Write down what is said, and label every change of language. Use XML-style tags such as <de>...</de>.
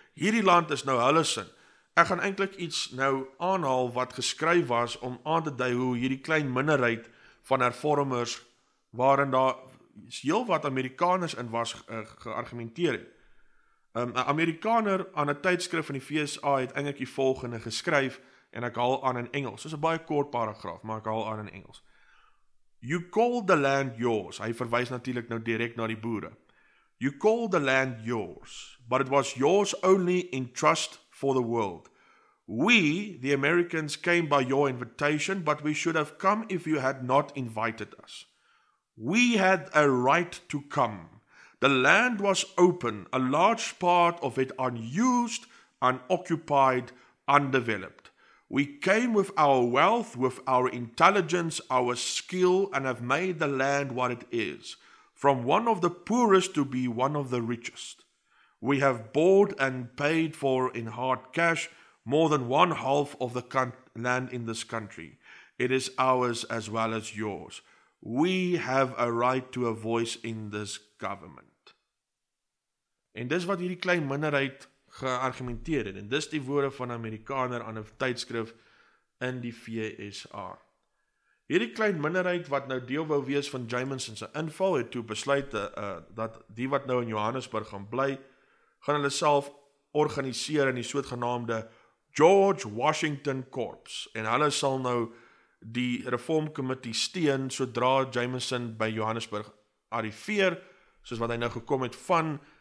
<af>Hierdie land is nou hulle sin. Ek gaan eintlik iets nou aanhaal wat geskryf was om aan te dui hoe hierdie klein minderheid van hervormers waarin daar heel wat Amerikaners in was geargumenteer het. 'N Amerikaner aan 'n tydskrif in die VSA het eintlik die volgende geskryf en ek haal aan in Engels. Dis 'n baie kort paragraaf, maar ek haal aan in Engels.</af> <en>You call the land yours.</en> <af>Hy verwys natuurlik nou direk na die boere.</af> <en>You call the land yours, but it was yours only in trust for the world. We, the Americans, came by your invitation, but we should have come if you had not invited us. We had a right to come. The land was open, a large part of it unused, unoccupied, undeveloped. We came with our wealth, with our intelligence, our skill, and have made the land what it is, from one of the poorest to be one of the richest. We have bought and paid for in hard cash more than one half of the land in this country. It is ours as well as yours. We have a right to a voice in this government.</en> <af>En dis wat hierdie klein minderheid geargumenteer het, en dis die woorde van 'n Amerikaner aan 'n tydskrif in die VSA. Hierdie klein minderheid wat nou deel wou wees van Jameson se inval, het toe besluit dat die wat nou in Johannesburg gaan bly, gaan hulle self organiseer in die soetgenaamde George Washington Corps, en hulle sal nou die reformkomitee steun sodra Jameson by Johannesburg arriveer, soos wat hy nou gekom het van</af>